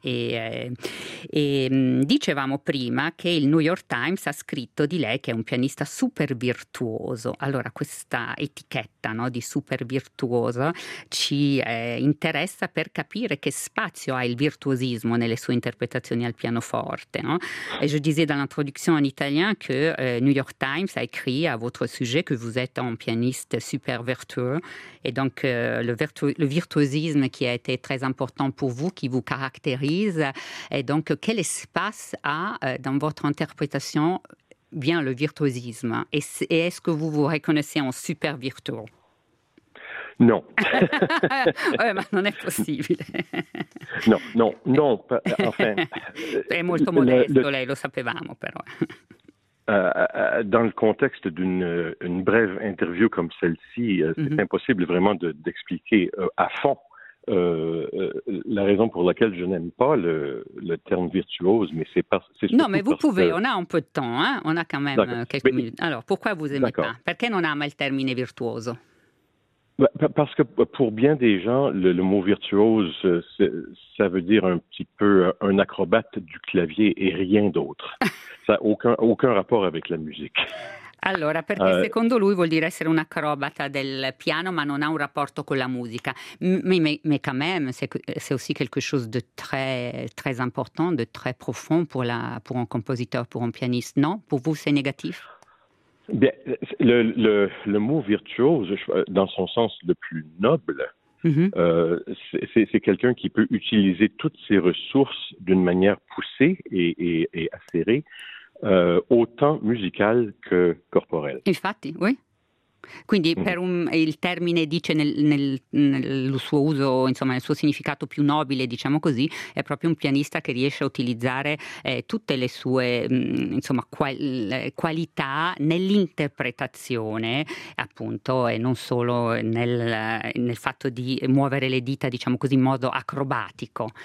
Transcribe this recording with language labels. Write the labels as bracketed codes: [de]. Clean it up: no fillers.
[it] E dicevamo prima che il New York Times ha scritto di lei che è un pianista artista super virtuoso. Allora, questa etichetta, no, di super virtuoso ci interessa per capire che spazio ha il virtuosismo nelle sue interpretazioni al pianoforte, no? [fr] Et je disais dans l'introduction en italien que New York Times a écrit à votre sujet que vous êtes un pianiste super virtuose, et donc le virtuosisme qui a été très important pour vous, qui vous caractérise, et donc quel espace a dans votre interprétation bien le virtuosisme, et est-ce que vous vous reconnaissez en super virtuose? Non. Ouais, mais non, [it] è possibile. [fr] Non, non, non. Enfin, [it] è molto modesto, lei lo sapevamo, però. [fr] Dans le contexte d'une brève interview comme celle-ci, c'est impossible vraiment d'expliquer à fond la raison pour laquelle je n'aime pas le terme virtuose, mais c'est non, mais vous pouvez, on a un peu de temps, hein? On a quand même quelques minutes. Alors, pourquoi vous aimez pas? [it] Perché non ama il termine virtuoso? [fr] Parce que pour bien des gens, le mot virtuose, ça veut dire un petit peu un acrobate du clavier et rien d'autre. Ça n'a aucun rapport avec la musique. [it] Allora, perché secondo lui vuol dire essere un acrobata del piano, ma non ha un rapporto con la musica. [fr] Mais quand même, c'est aussi quelque chose de très, très important, de très profond pour un compositeur, pour un pianiste. Non? Pour vous, c'est négatif? Bien, le mot virtuose, dans son sens le plus noble, c'est quelqu'un qui peut utiliser toutes ses ressources d'une manière poussée et acérée, autant musicale que corporelle. [it] Infatti, oui. Quindi il termine dice nel suo uso, insomma nel suo significato più nobile, diciamo così, è proprio un pianista che riesce a utilizzare tutte le sue insomma qualità nell'interpretazione, appunto, e non solo nel fatto di muovere le dita, diciamo così, in modo acrobatico.